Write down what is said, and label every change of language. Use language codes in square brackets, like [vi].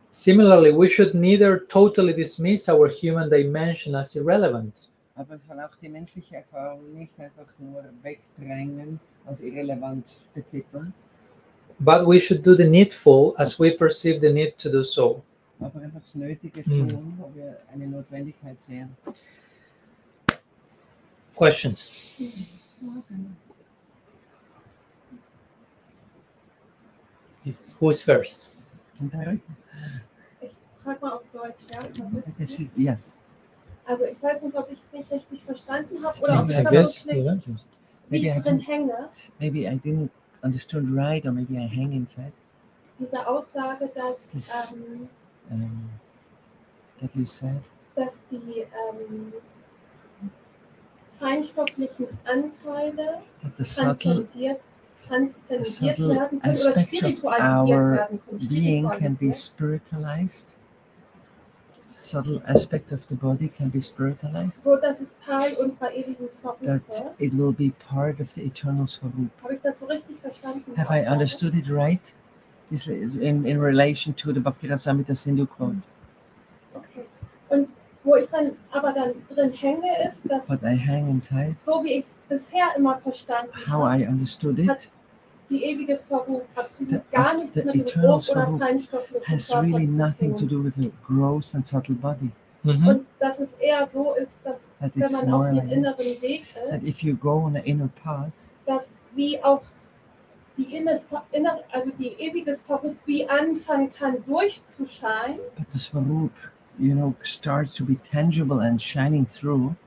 [en] Similarly, we should neither totally dismiss our human dimension as irrelevant. [de] Aber es soll auch die menschliche Erfahrung nicht einfach nur wegdrängen, als irrelevant betiteln. [en] But we should do the needful as we perceive the need to do so. [de] Aber einfach das Nötige tun, wo wir eine Notwendigkeit sehen. [en] Questions? Who's first? [de] Ich frage mal auf Deutsch, ja? [en] Yes. [de] Also ich weiß nicht, ob ich dich richtig verstanden habe oder ob ich da wirklich drin hänge. [en] Maybe I didn't understand right or maybe I hang inside. [de] Diese Aussage, dass [en] that you said, [de] dass die feinstofflichen Anteile transzendiert werden oder spiritualisiert werden. [en] Being can be spiritualized. Subtle aspect of the body can be spiritualized. [de] So, das ist Teil unserer ewigen Swarupa. [en] That it will be part of the eternal Swarupa. [de] Habe ich das so richtig verstanden? [en] Have I understood it right? This is in relation to the Bhaktirasamrita Sindhu quote. Okay. [de] Und wo ich dann aber dann drin hänge ist, dass [en] but I hang inside. [de] So wie ich es bisher immer verstanden habe. [en] How I understood it. [de] Die ewige Swarupa absolut gar nichts mit dem Grob oder feinstofflichen Körper zu tun. [en] Really nothing to do with a gross and subtle body. [de] Mm-hmm. Und dass es eher so ist, dass that wenn man auf den inneren Weg ist, [en] that if you go on an inner path, [de] dass wie auch die inner, also die ewige Svarup, wie anfangen kann durchzuscheinen. [en] But the Svarup, you know, starts to be tangible and shining through.